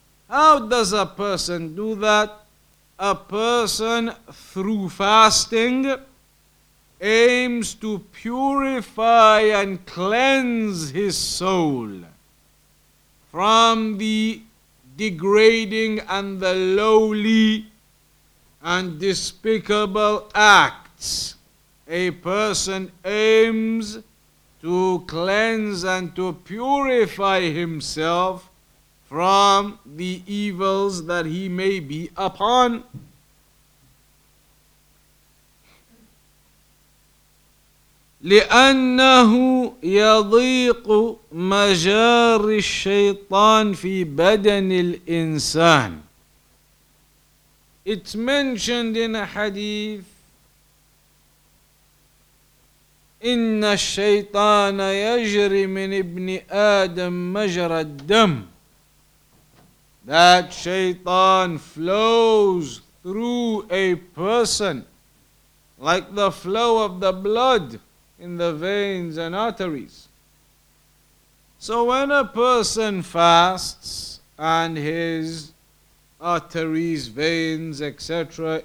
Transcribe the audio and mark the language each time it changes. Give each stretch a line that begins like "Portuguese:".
English: How does a person do that? A person, through fasting, aims to purify and cleanse his soul from the degrading and the lowly and despicable acts. A person aims to cleanse and to purify himself from the evils that he may be upon.
Arabic: لأنه يضيق مجاري الشيطان في بدن الإنسان.
English: It's mentioned in a hadith.
Arabic: إن الشيطان يجري من ابن آدم مجرى الدم.
English: That shaitan flows through a person like the flow of the blood in the veins and arteries. So when a person fasts and his arteries, veins, etc.